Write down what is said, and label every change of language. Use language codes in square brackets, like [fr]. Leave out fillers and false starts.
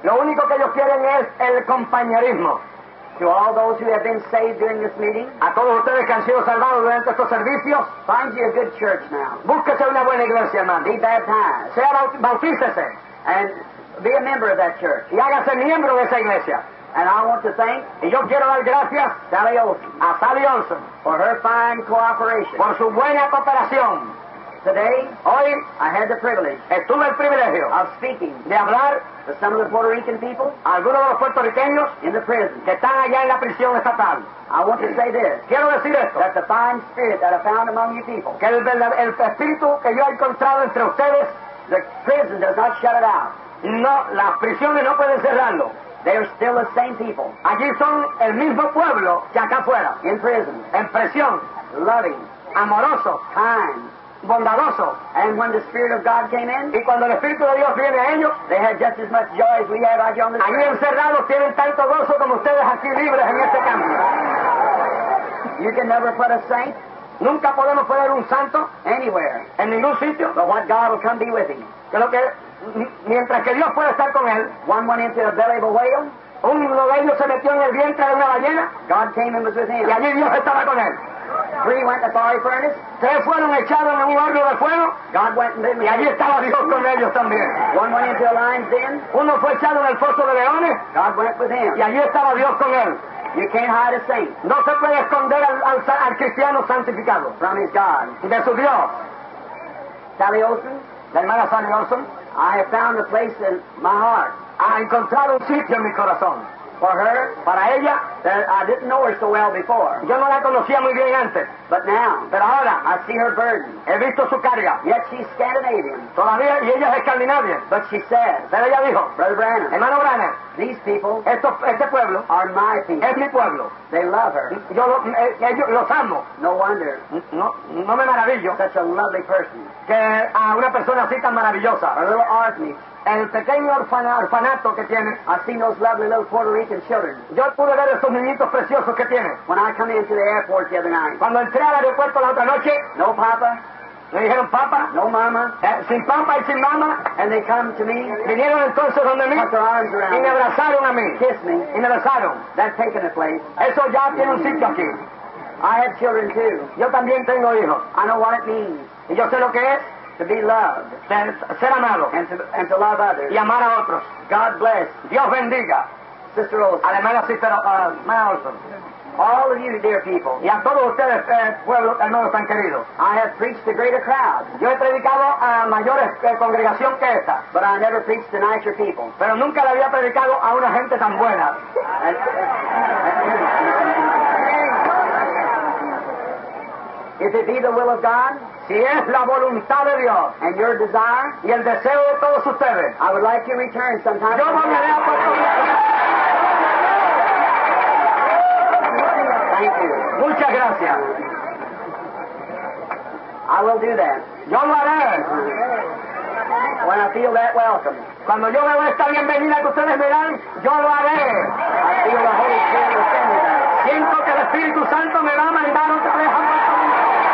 [es] Lo único que ellos quieren es el compañerismo. [en] To all those who have been saved during this meeting. [es] A todos ustedes que han sido salvados durante estos servicios. [en] Find you a good church now. [es] Búsquese una buena iglesia, hermano. [en] Be baptized. [es] Sea bautícese. [en] And be a member of that church. [es] Y hágase miembro de esa iglesia. [en] And I want to thank. [es] Y yo quiero dar gracias. Sally Olson. A Sally Olson. [en] For her fine cooperation. [es] Por su buena cooperación. [en] Today, [es] hoy, [en] I had the privilege. [es] Estuve el privilegio. [en] Of speaking. [es] De hablar. [en] To some of the Puerto Rican people, [es] algunos de los puertorriqueños, [en] in the prison, [es] que están allá en la prisión estatal. [en] I want to say this. [es] Quiero decir esto. [en] That the fine spirit that I found among you people. [es] Que el espíritu que yo he encontrado entre ustedes, [en] the prison does not shut it out. [es] No, las prisiones no pueden cerrarlo. [en] They are still the same people. [es] Allí son el mismo pueblo que acá afuera. [en] In prison. [es] En prisión. [en] Loving. [es] Amoroso. [en] Kind. [es] Bondadoso. [en] And when the Spirit of God came in, [es] y cuando el Espíritu de Dios viene a ellos, [en] they had just as much joy as we have out here on the street. [es] Allí encerrados tienen tanto gozo como ustedes aquí libres en este campo. [en] You can never put a saint. [es] Nunca podemos poner un santo [en] anywhere. [es] En ningún sitio. [en] But what God will come be with him. [es] Que lo que mientras que Dios pueda estar con él. [en] One went into the belly of a whale. [es] Uno de ellos se metió en el vientre de una ballena. [en] God came and was with him. [es] Y allí Dios estaba con él. [en] Three went to the fiery furnace. [es] Tres fueron echados en un horno de fuego. [en] God went in them. [es] Y allí estaba Dios con ellos también. [en] One went into a lion's den. [es] Uno fue echado en el foso de leones. [en] God went with him. [es] Y allí estaba Dios con él. [en] You can't hide a saint. [es] No se puede esconder al cristiano santificado. [en] From his God. [es] De su Dios. [en] Sally Olson. [es] La hermana Sally Olson. [en] I have found a place in my heart. [es] Ha encontrado un sitio en mi corazón. [en] For her, [es] para ella, [en] I didn't know her so well before. [es] Yo no la conocía muy bien antes. [en] But now, [es] pero ahora, [en] I see her burden. [es] He visto su carga. [en] Yet she's Scandinavian. [es] Todavía, y ella es escandinavia. [en] But she says, [es] pero ella dijo, [en] Brother Branham, [es] hermano Branham, [en] these people, [es] este pueblo, [en] are my people. [es] Es mi pueblo. [en] They love her. [es] Yo los amo. [en] No wonder. [es] No me maravillo. [en] Such a lovely person. [es] Que a una persona así tan maravillosa. [en] A little orphanage. [es] El pequeño orfanato que tiene. [en] I see those lovely little Puerto Rican children. [es] Yo pude ver esos niñitos preciosos que tiene. [en] When I come into the airport the other night. [es] Cuando entré al aeropuerto la otra noche. [en] No papa. [es] Me dijeron papa. [en] No mama. [es] Sin papa y sin mama. [en] And they come to me. [es] Vinieron entonces donde mí. [en] Put their arms around [es] me. Y me abrazaron a mí. [en] Kiss me. [es] Y me abrazaron. [en] That's taken a place. [es] Eso ya tiene un sitio aquí. [en] I have children too. [es] Yo también tengo hijos. [en] I know what it means. [es] Y yo sé lo que es. [en] To be loved. [es] Ser amado. [en] And to love others. [es] Y amar a otros. [en] God bless. [es] Dios bendiga. [en] Sister Olson. [es] A la hermana Sister Olson. [en] All of you, dear people. [es] Y a todos ustedes, pueblo, hermanos tan queridos. [en] I have preached to greater crowds. [es] Yo he predicado a mayores congregación que esta. [en] But I never preached to nicer people. [es] Pero nunca le había predicado a una gente tan buena. [en] If it be the will of God, [es] si es la voluntad de Dios, [en] and your desire, [es] y el deseo de todos ustedes, [en] I would like to return sometime. [es] Yo voy a leer por tu vida. [en] Thank you. [es] Muchas gracias. [en] I will do that. [es] Yo lo haré. [en] When I feel that welcome. [es] Cuando yo veo esta bienvenida que ustedes me dan, yo lo haré. [en] I feel the Holy Spirit within me. [es] Siento que el Espíritu Santo me va a mandar otra vez a Puerto Rico.